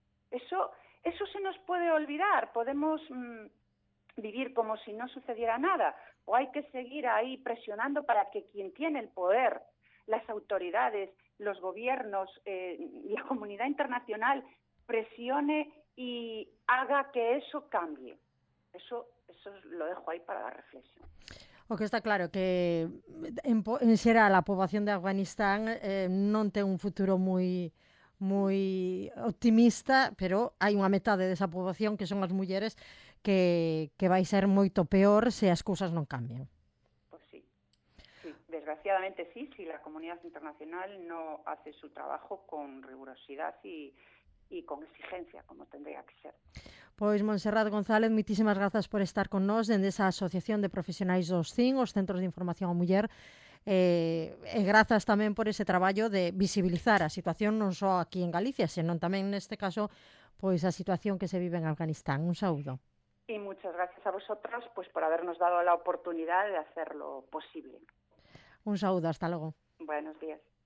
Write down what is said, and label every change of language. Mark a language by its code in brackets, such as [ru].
[es] Eso se nos puede olvidar, podemos vivir como si no sucediera nada, o hay que seguir ahí presionando para que quien tiene el poder, las autoridades, los gobiernos, la comunidad internacional, presione y haga que eso cambie. Eso lo dejo ahí para la reflexión. [gl] O que está claro que en xeral a poboación de Afganistán non ten un futuro moi moi optimista, pero hai unha metade desa poboación que son as mulleres que vai ser moito peor se as cousas non cambian. Pois sí. [es] Sí, desgraciadamente sí, si [gl] a comunidade internacional non [es] hace su trabajo con rigurosidade e con exigencia, como tendría que ser. [gl] Pois, Montserrat González, moitísimas grazas por estar con nós dende esa Asociación de Profesionais dos CIN, os Centros de Información á Muller, e grazas tamén por ese traballo de visibilizar a situación non só aquí en Galicia, senón tamén neste caso pois a situación que se vive en Afganistán. Un saúdo. E moitas gracias [es] a vosotros pois, por habernos dado a oportunidade de hacerlo posible. [gl] Un saúdo, hasta logo. [es] Buenos días.